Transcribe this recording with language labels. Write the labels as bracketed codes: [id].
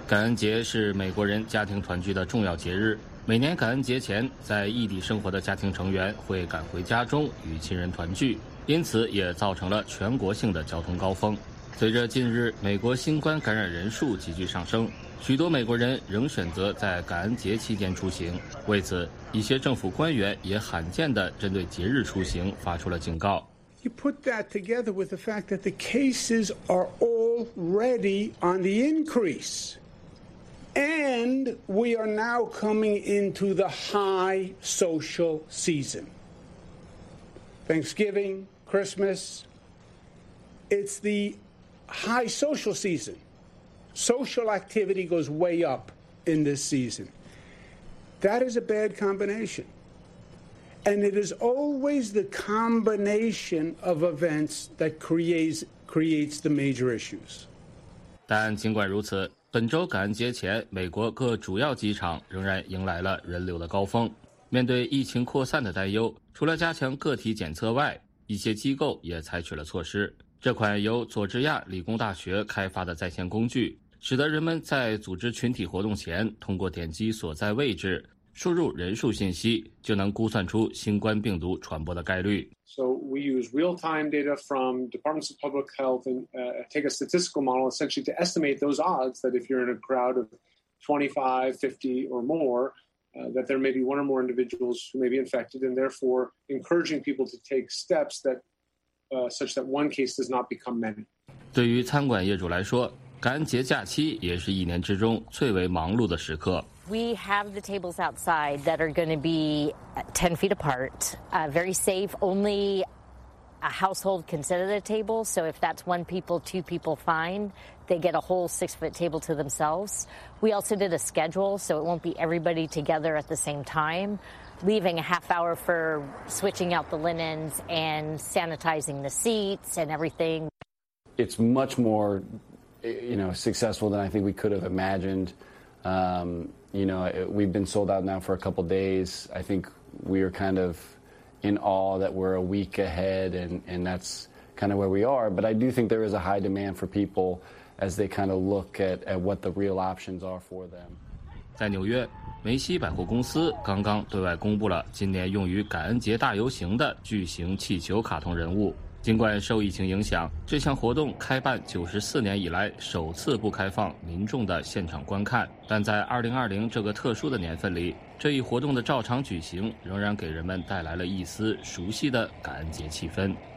[zh] 感恩节是美国人家庭团聚的重要节日。每年感恩节前，在异地生活的家庭成员会赶回家中与亲人团聚，因此也造成了全国性的交通高峰。随着近日美国新冠感染人数急剧上升，许多美国人仍选择在感恩节期间出行。为此，一些政府官员也罕见地针对节日出行发出了警告。 [en] You put that together with the fact that the cases are already on the increase, and we are now coming into the high social season. Thanksgiving, Christmas, it's the high social season. Social activity goes way up in this season. That is a bad combination. And it is always the combination of events that creates the major issues. [zh] 但尽管如此，本周感恩节前，美国各主要机场仍然迎来了人流的高峰。面对疫情扩散的担忧，除了加强个体检测外，一些机构也采取了措施。这款由佐治亚理工大学开发的在线工具，使得人们在组织群体活动前，通过点击所在位置，输入人数信息，就能估算出新冠病毒传播的概率。 [en] So we use real-time data from Departments of Public Health and take a statistical model essentially to estimate those odds that if you're in a crowd of 25, 50 or more, that there may be one or more individuals who may be infected and therefore encouraging people to take steps that, such that one case does not become many. [zh] 对于餐馆业主来说，感恩节假期也是一年之中最为忙碌的时刻。 [en] We have the tables outside that are going to be 10 feet apart, very safe. Only a household can sit at a table. So if that's one people, two people, fine. They get a whole 6-foot table to themselves. We also did a schedule, so it won't be everybody together at the same time, leaving a half hour for switching out the linens and sanitizing the seats and everything. It's much more, you know, successful than I think we could have imagined. You know, we've been sold out now for a couple of days. I think we are kind of in awe that we're a week ahead, and that's kind of where we are. But I do think there is a high demand for people as they kind of look at what the real options are for them. [zh] 在纽约，梅西百货公司刚刚对外公布了今年用于感恩节大游行的巨型气球卡通人物。尽管受疫情影响，这项活动开办94年以来首次不开放民众的现场观看，但在2020这个特殊的年份里，这一活动的照常举行仍然给人们带来了一丝熟悉的感恩节气氛。